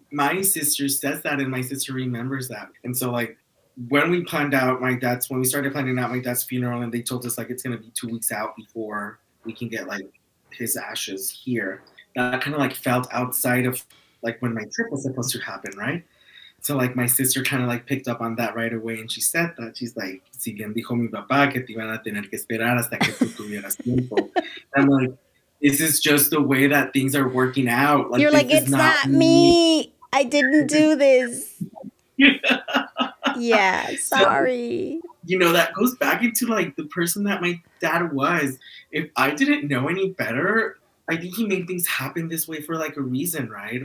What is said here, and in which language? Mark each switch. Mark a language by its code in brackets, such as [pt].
[en] My sister says that, and my sister remembers that. And so, like, when we planned out my dad's, when we started planning out my dad's funeral, and they told us, like, it's going to be 2 weeks out before we can get, like, his ashes here, that kind of, like, felt outside of, like, when my trip was supposed to happen, right? So, like, my sister kind of, like, picked up on that right away, and she said that. She's like, [es] si bien dijo mi papá que te iban a tener que esperar hasta que tú tuvieras tiempo. [en] I'm like, this is just the way that things are working out. Like, you're like, it's not me. I didn't do this. Yeah, sorry. So, you know, that goes back into, like, the person that my dad was. If I didn't know any better, I think he made things happen this way for, like, a reason, right?